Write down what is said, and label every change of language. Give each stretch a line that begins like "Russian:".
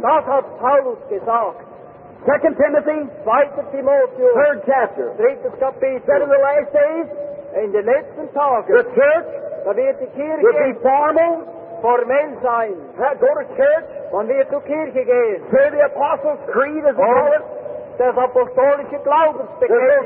German: Das hat Paulus gesagt.
English: 2 Timothy.
German: 2 Timotheus.
English: 3rd chapter.
German: 3. Kapitel.
English: Said in the last days.
German: In den letzten Tagen,
English: the church,
German: da wird die Kirche
English: will be formal,
German: formell sein.
English: Go to church,
German: man wird zur Kirche gehen.
English: Say the Apostles' Creed as we call it.
German: Das apostolische Glaubensbekenntnis.